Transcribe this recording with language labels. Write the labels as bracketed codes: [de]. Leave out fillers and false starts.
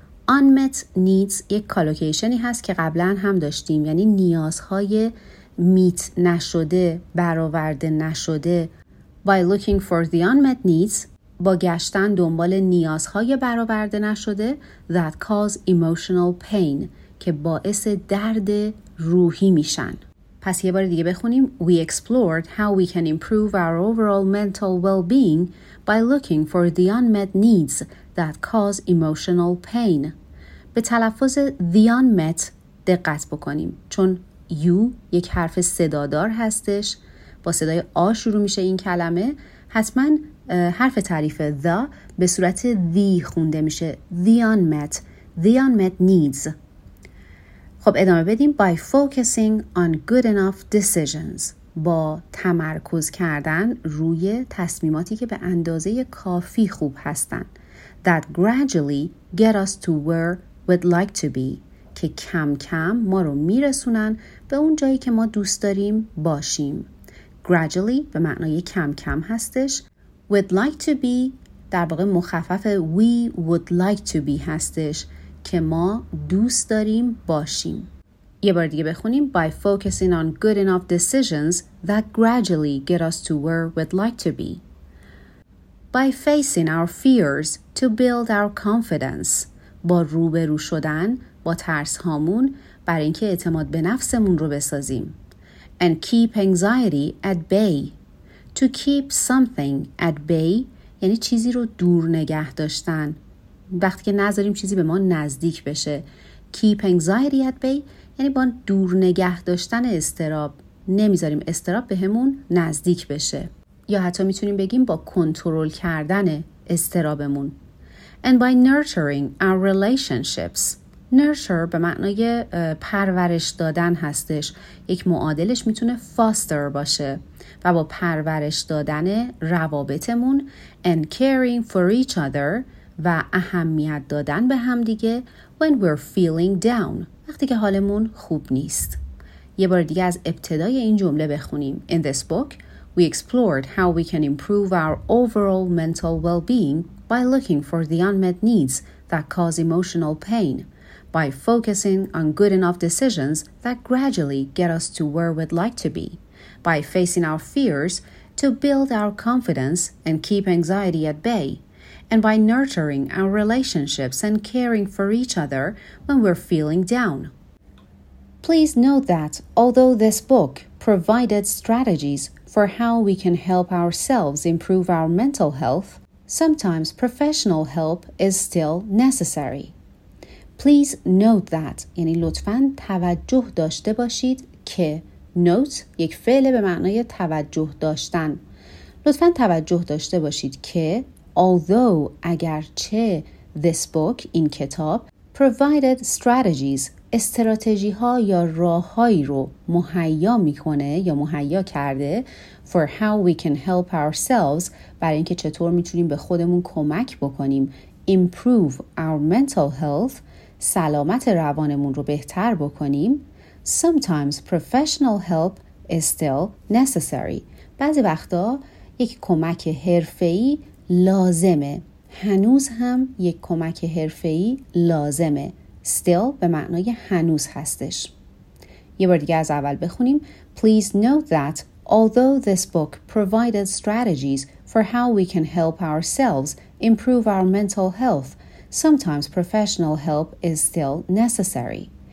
[fa] Unmet needs یک کالوکیشنی هست که قبلا هم داشتیم، یعنی نیازهای میت نشده، برآورده نشده. [en] By looking for the unmet needs، [fa] با گشتن دنبال نیازهای برآورده نشده، [en] that cause emotional pain، [fa] که باعث درد روحی میشن. پس یه بار دیگه بخونیم. [en] We explored how we can improve our overall mental well-being by looking for the unmet needs that cause emotional pain. [fa] به تلفظ the unmet دقت بکنیم، چون you یک حرف صدادار هستش، با صدای آ شروع میشه این کلمه، حتما حرف تعریف the به صورت the خونده میشه. [en] The unmet needs. [fa] خب ادامه بدیم. [en] By focusing on good enough decisions. [fa] با تمرکز کردن روی تصمیماتی که به اندازه کافی خوب هستن. [en] That gradually get us to where we'd like to be. [fa] که کم کم ما رو میرسونن به اون جایی که ما دوست داریم باشیم. Gradually به معنای کم کم هستش. [en] We'd like to be [fa] در واقع مخفف [en] we would like to be [fa] هستش. که ما دوست داریم باشیم. یه بار دیگه بخونیم. [en] By focusing on good enough decisions that gradually get us to where we'd like to be. By facing our fears to build our confidence. [fa] با روبرو شدن با ترس هامون برای اینکه اعتماد به نفسمون رو بسازیم. [en] And keep anxiety at bay. To keep something at bay [fa] یعنی چیزی رو دور نگه داشتن. وقتی که نذاریم چیزی به ما نزدیک بشه. [en] Keep anxiety at bay [fa] یعنی با دور نگه داشتن استراب، نمیذاریم استراب بهمون نزدیک بشه، یا حتی میتونیم بگیم با کنترل کردن استرابمون. [en] And by nurturing our relationships. [fa] Nurture به معنای پرورش دادن هستش. یک معادلش میتونه foster باشه، و با پرورش دادن روابطمون. [en] And caring for each other [fa] و اهمیت دادن به هم دیگه. [en] When we're feeling down، [fa] وقتی که حالمون خوب نیست. یه بار دیگه از ابتدای این جمله بخونیم. [en] In this book we explored how we can improve our overall mental well-being by looking for the unmet needs that cause emotional pain, by focusing on good enough decisions that gradually get us to where we'd like to be, by facing our fears to build our confidence and keep anxiety at bay, and by nurturing our relationships and caring for each other when we're feeling down. Please note that although this book provided strategies for how we can help ourselves improve our mental health, sometimes professional help is still necessary. Please note that, [fa] یعنی لطفاً توجه داشته باشید که note یک فعل به معنای توجه داشتن. لطفاً توجه داشته باشید که although اگرچه [en] this book [fa] این کتاب [en] provided strategies [fa] استراتژی ها یا راه هایی رو مهیا میکنه یا مهیا کرده [en] for how we can help ourselves [fa] برای اینکه چطور میتونیم به خودمون کمک بکنیم [en] improve our mental health [fa] سلامت روانمون رو بهتر بکنیم [en] sometimes professional help is still necessary [fa] بعضی وقتا یک کمک حرفه‌ای لازمه، هنوز هم یک کمک حرفه‌ای لازمه. Still به معنای هنوز هستش. یه بار دیگه از اول بخونیم. [en] Please note that although this book provided strategies for how we can help ourselves improve our mental health, sometimes professional help is still necessary.